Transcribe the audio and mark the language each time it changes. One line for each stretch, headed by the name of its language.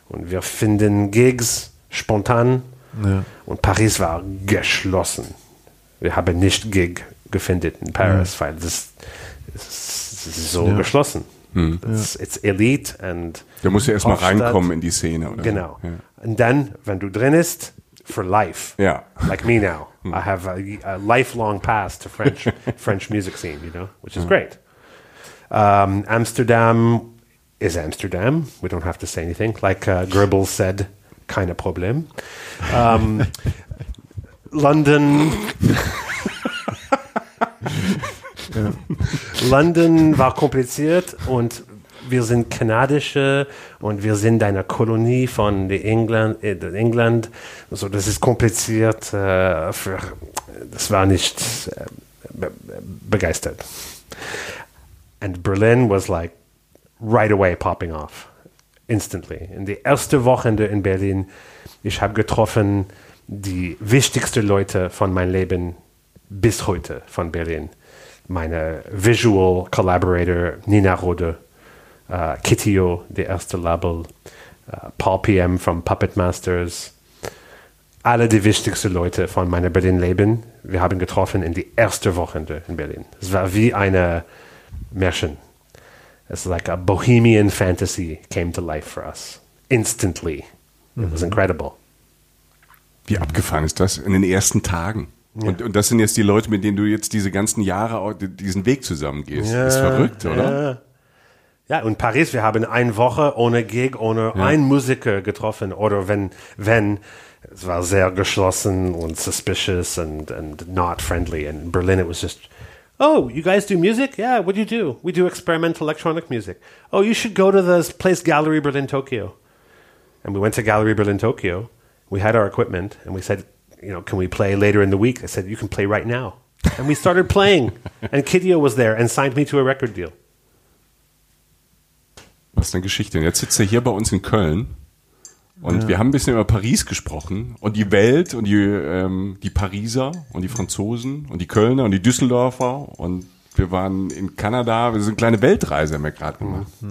German: Und wir finden Gigs spontan. Ja. Und Paris war geschlossen. Wir haben nicht Gig gefunden in Paris, weil das ist so geschlossen.
English: It's elite. And
German: da musst du erst mal reinkommen in die Szene. Oder genau. Und so. Dann, wenn du drin bist,
English: for life.
German: Ja.
English: Like me now. I have a lifelong pass to French music scene, you know, which is great. Amsterdam is Amsterdam. We don't have to say anything. Like Goebbels said, kind of problem. London.
German: London war kompliziert und wir sind Kanadische und wir sind eine Kolonie von England. Also das ist kompliziert. Das war nicht begeistert.
English: And Berlin was like right away popping off. Instantly.
German: In die erste Wochenende in Berlin, ich habe getroffen die wichtigsten Leute von meinem Leben bis heute von Berlin. Meine Visual Collaborator Nina Rode, Kittio, der erste Label, Paul PM von Puppet Masters, alle die wichtigsten Leute von meinem Berlin-Leben, wir haben getroffen in die erste Wochenende in Berlin. Es war wie eine Märchen.
English: It's like a bohemian fantasy came to life for us. Instantly. It was incredible.
German: Wie abgefahren ist das? In den ersten Tagen? Ja. Und das sind jetzt die Leute, mit denen du jetzt diese ganzen Jahre diesen Weg zusammen gehst. Ja, das ist verrückt, oder? Ja. Ja, und Paris, wir haben eine Woche ohne Gig, ohne einen Musiker getroffen. Oder wenn es war sehr geschlossen und
English: suspicious and not friendly. In Berlin, it was just, oh, you guys do music? Yeah, what do you do? We do experimental electronic music. Oh, you should go to this place, Gallery Berlin Tokyo. And we went to Gallery Berlin Tokyo. We had our equipment and we said, you know, can we play later in the week? I said, you can play right now. And we started playing. And Kidio was there and signed me to a record deal.
German: Was eine Geschichte. Und jetzt sitzt er hier bei uns in Köln und wir haben ein bisschen über Paris gesprochen und die Welt und die Pariser und die Franzosen und die Kölner und die Düsseldorfer und wir waren in Kanada, wir sind eine kleine Weltreise haben wir gerade gemacht.